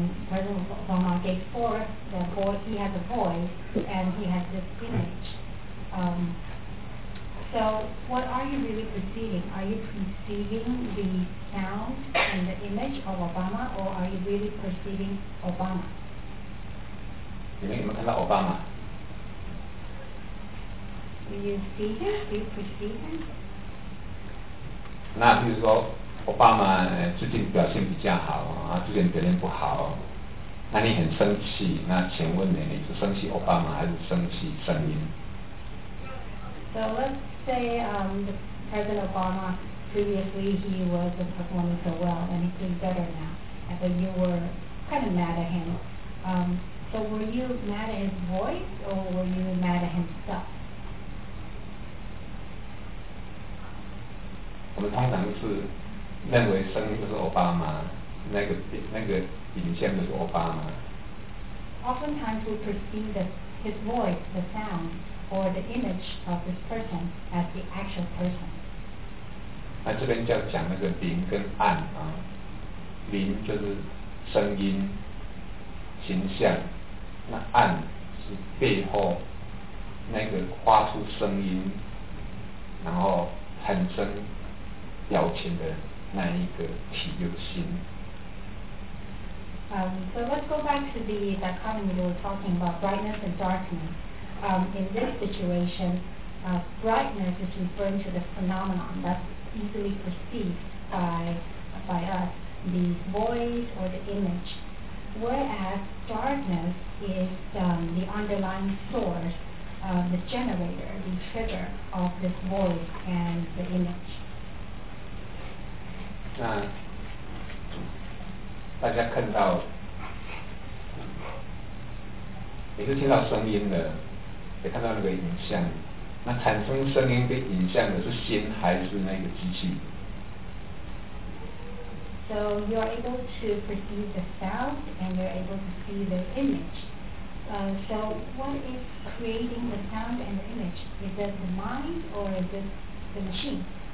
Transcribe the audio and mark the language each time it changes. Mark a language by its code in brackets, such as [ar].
[en] President Obama gave forth the voice. He has a voice, and he has this image. So what are you really perceiving? Are you perceiving the sound and the image of Obama, or are you really perceiving Obama? [zh] 你们有没有看到奥巴马？ [en] Do you see him? Do you perceive him? [zh] 那比如说奥巴马最近表现比较好，之前表现不好，那你很生气，那请问你是生气奥巴马还是生气声音？ [en] So let's say President Obama, previously he wasn't performing so well and he's doing better now, but you were kind of mad at him. So were you mad at his voice or were you mad at himself? We [zh] 通常是认为神就是奥巴马，那个影像就是奥巴马。 [en] Oftentimes we perceive the his voice, the sound, or the image of this person as the actual person. [zh] 那这边就要讲那个灵跟暗啊，灵就是声音、形象，那暗是背后那个发出声音，然后产生表情的那一个体有心。 [en] So let's go back to the dichotomy we were talking about, brightness and darkness. In this situation, brightness is referring to the phenomenon that's easily perceived by us, the voice or the image. Whereas darkness is the underlying source, the generator, the trigger of this voice and the image. [zh] 大家看到也是听到声音的，也看到那个影像，那产生声音跟影像的是心还是那个机器？ [en] So you are able to perceive the sound and you are able to see the image. So what is creating the sound and the image? Is it the mind or is it the machine?